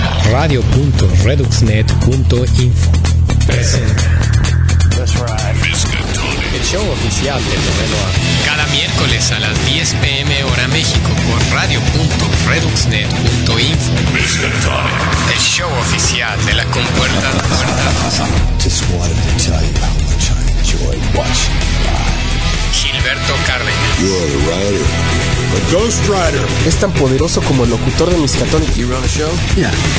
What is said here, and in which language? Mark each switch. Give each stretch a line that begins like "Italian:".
Spanish: Radio.reduxnet.info presenta.
English: That's right.
Spanish: Miskatonic. El show oficial de Lorena. Cada miércoles a las 10 p.m. hora México por radio.reduxnet.info. Miskatonic. El show oficial de la compuerta.
English: Just wanted to tell you how much I enjoy watching you live.
Spanish: Gilberto Cárdenas.
English: You are a writer. A ghost writer.
Spanish: Es tan poderoso como el locutor de Miskatonic.
English: You run a show? Yeah.